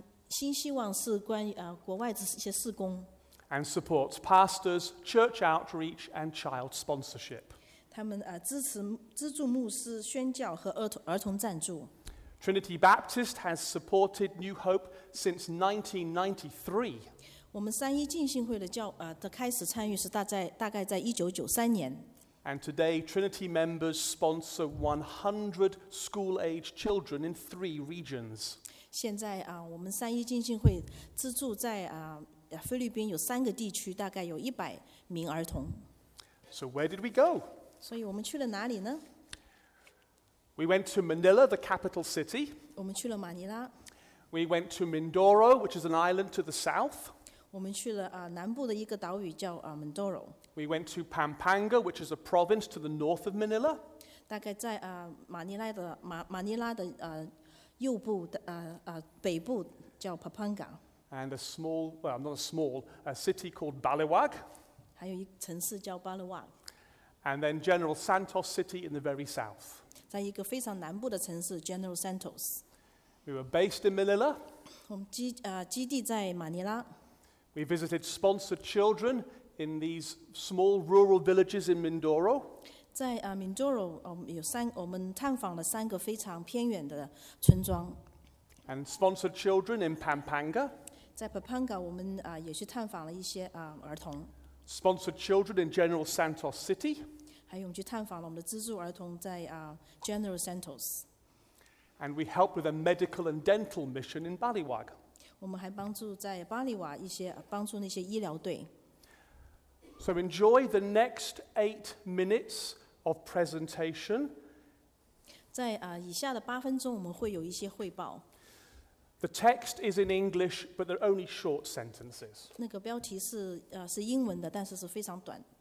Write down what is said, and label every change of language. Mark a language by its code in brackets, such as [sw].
[zh] 新希望是关于国外的一些事工。 [en] And supports pastors, church outreach, and child sponsorship. [zh] 他们资助牧师宣教和儿童赞助。 [en] Trinity Baptist has supported New Hope since 1993. [zh] 我们三一浸信会的开始参与是大概在1993年。 [en] And today Trinity members sponsor 100 school age children in 3 regions. [zh] 现在我们三一浸信会资助在菲律宾有三个地区，大概有100名儿童。 [en] So where did we go? [zh] 所以我们去了哪里呢？ [en] We went to Manila, the capital city. [zh] 我们去了马尼拉。 [en] We went to Mindoro, which is an island to the south. [zh] 我们去了南部的一个岛屿叫Mindoro. [en] We went to Pampanga, which is a province to the north of Manila. [zh] 大概在马尼拉的右部北部叫Pampanga。 [en] and a small, well, not a small, a city called Balewag. [zh] 还有一个城市叫巴勒旺。 [en] And then General Santos City in the very south. [zh] 在一个非常南部的城市 General Santos. [en] We were based in Manila. [zh] 我们基地在马尼拉。 [en] We visited sponsored children in these small rural villages in Mindoro. [zh] 在Mindoro, 我们探访了三个非常偏远的村庄。 [en] And sponsored children in Pampanga. [zh] 在 Pampanga, 我们也去探访了一些儿童。 [en] Sponsored children in General Santos City. [zh] 还有我们去探访了我们的资助儿童在General Santos. [en] And we helped with a medical and dental mission in Balewag. [zh] 我们还帮助在巴厘瓦一些帮助那些医疗队。 [en] So enjoy the next 8 minutes of presentation. [zh] 在以下的八分钟，我们会有一些汇报。 [en] The text is in English, but they're only short sentences. [zh] 那个标题是是英文的，但是是非常短。